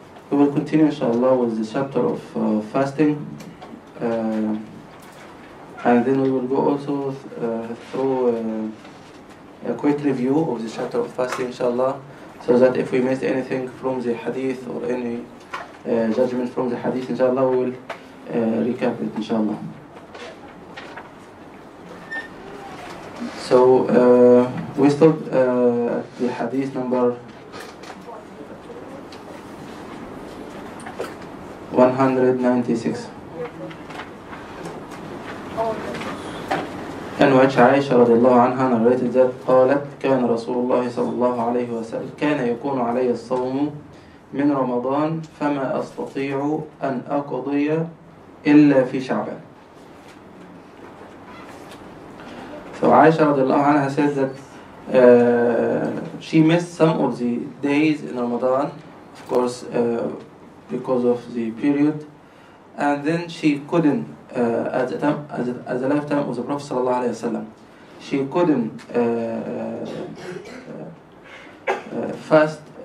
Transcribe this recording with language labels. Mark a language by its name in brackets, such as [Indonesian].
[English] We will continue inshallah with the chapter of fasting and then we will go also through a quick review of the chapter of fasting inshallah, so that if we missed anything from the hadith or any judgment from the hadith inshallah, we will recap it inshallah. So we stopped at the hadith number 196, in which Aisha radiallahu anha narrated that [Arabic] قالت كان رسول الله صلى الله عليه وسلم كان يكون علي الصوم من رمضان فما أستطيع أن أقضي إلا في شعبان. [English] So Aisha radiallahu anha says that she missed some of the days in Ramadan, of course, because of the period, and then she couldn't, as a lifetime of the Prophet sallallahu alaihi wasallam, she couldn't fast